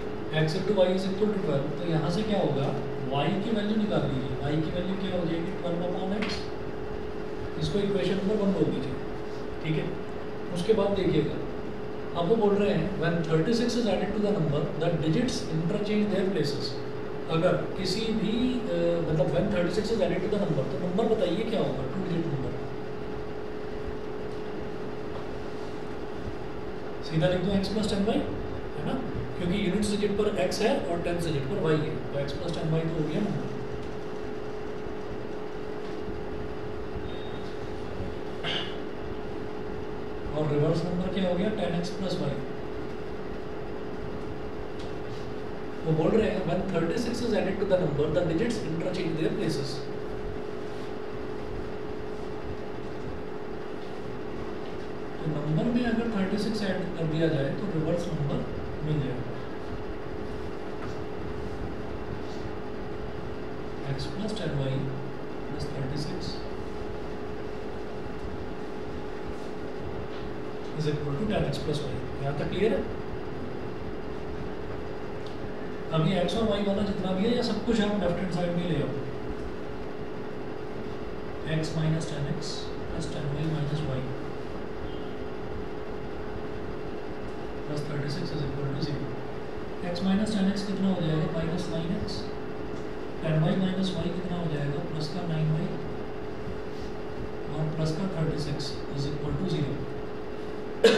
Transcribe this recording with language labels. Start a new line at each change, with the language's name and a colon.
English: x into y is equal to 12,
Hindi: तो यहाँ से क्या होगा, y की वैल्यू निकाल दीजिए, y की वैल्यू क्या हो जाएगी,
English: 12 upon x,
Hindi: इसको इक्वेशन नंबर 1 बोल दीजिए, ठीक है, उसके बाद देखिएगा, अब वो बोल रहे हैं,
English: when 36 is added to the number, the digits interchange their places,
Hindi: अगर किसी भी, मतलब
English: when 36 is added to the number,
Hindi: तो नंबर बताइए क्या होगा, 2 digit number, सीधा लिख दो
English: x plus 10y,
Hindi: है ना? क्योंकि यूनिट डिजिट पर x है और टेंथ डिजिट पर y है, तो
English: x plus 10y
Hindi: तो हो गया ना। और रिवर्स नंबर क्या हो गया,
English: 10x plus y। वो बोल रहे हैं when 36 is added to the number, the digits interchange their places.
Hindi: तो नंबर में अगर 36 ऐड कर दिया जाए तो रिवर्स नंबर मिल जाएगा।
English: x plus 10y is 36 is equal to 10x plus y.
Hindi: यहाँ तक clear है? अब ये x और y वाला जितना भी है या सब कुछ हम
English: left hand side
Hindi: में ले आओ।
English: x minus 10x plus 10y minus y plus 36 is equal to 0.
Hindi: x minus 10x कितना हो जाएगा?
English: minus 9x. 10y minus y
Hindi: कितना हो जाएगा, plus का 9y और plus का 36
English: is equal to 0.